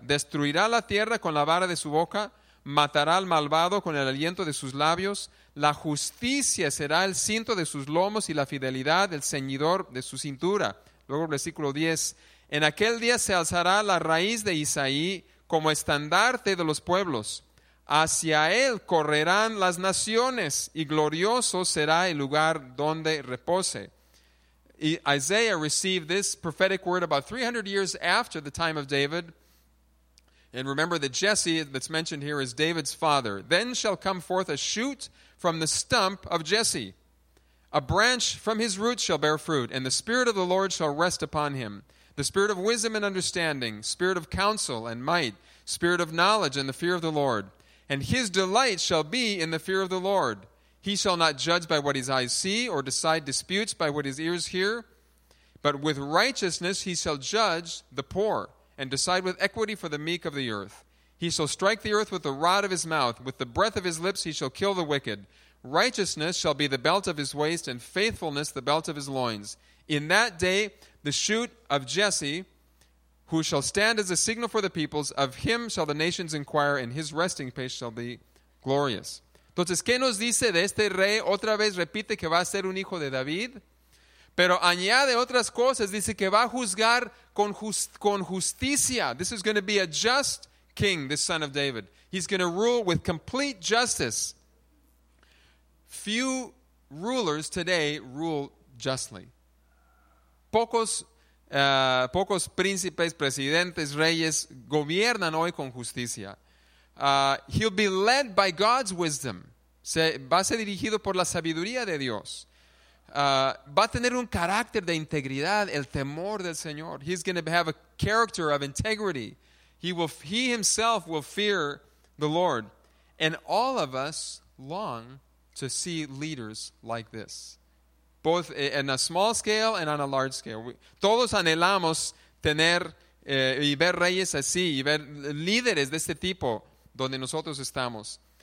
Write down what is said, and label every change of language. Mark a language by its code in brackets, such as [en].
[es] Destruirá la tierra con la vara de su boca, matará al malvado con el aliento de sus labios, la justicia será el cinto de sus lomos y la fidelidad el ceñidor de su cintura. Luego versículo 10, en aquel día se alzará la raíz de Isaí como estandarte de los pueblos, hacia él correrán las naciones y glorioso será el lugar donde repose. [en] Isaiah received this prophetic word about 300 years after the time of David. And remember that Jesse, that's mentioned here, is David's father. Then shall come forth a shoot from the stump of Jesse. A branch from his roots shall bear fruit, and the Spirit of the Lord shall rest upon him. The Spirit of wisdom and understanding, Spirit of counsel and might, Spirit of knowledge and the fear of the Lord. And his delight shall be in the fear of the Lord. He shall not judge by what his eyes see, or decide disputes by what his ears hear. But with righteousness he shall judge the poor, and decide with equity for the meek of the earth. He shall strike the earth with the rod of his mouth, with the breath of his lips he shall kill the wicked. Righteousness shall be the belt of his waist, and faithfulness the belt of his loins. In that day the shoot of Jesse, who shall stand as a signal for the peoples, of him shall the nations inquire, and his resting place shall be glorious. [es] Entonces, ¿qué nos dice de este rey? Otra vez repite que va a ser un hijo de David, pero añade otras cosas. Dice que va a juzgar con justicia. [en] This is going to be a just king, this son of David. He's going to rule with complete justice. Few rulers today rule justly. [es] Pocos príncipes, presidentes, reyes gobiernan hoy con justicia. [en] He'll be led by God's wisdom. [es] Va a ser dirigido por la sabiduría de Dios. Va a tener un carácter de integridad, el temor del Señor. [en] He's going to have a character of integrity. He himself will fear the Lord. And all of us long to see leaders like this. Both in a small scale and on a large scale. [es] Todos anhelamos tener y ver reyes así, y ver líderes de este tipo donde nosotros estamos.